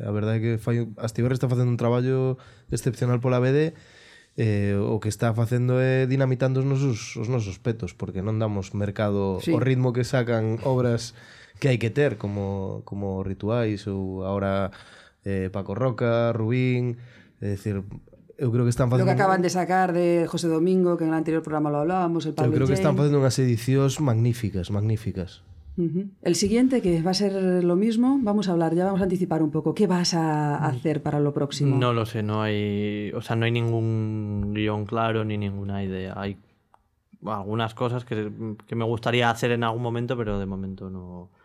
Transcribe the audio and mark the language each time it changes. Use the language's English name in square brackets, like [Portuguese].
[Galician] A verdade é que Astiberri está facendo un traballo excepcional pola BD, o que está facendo é dinamitando os nosos petos, porque non damos mercado ao ritmo que sacan obras que hai que ter, como Rituais ou agora Paco Roca, Rubín, é dicir... Eu creo que están facendo... [Spanish] Lo que acaban de sacar de José Domingo, que en el anterior programa lo hablábamos, el Pablo. Yo creo que están facendo unas edicións magníficas, magníficas. El siguiente, que va a ser lo mismo, vamos a hablar, ya vamos a anticipar un poco. ¿Qué vas a hacer para lo próximo? No lo sé, no hay ningún guión claro ni ninguna idea. Hay algunas cosas que me gustaría hacer en algún momento, pero de momento no...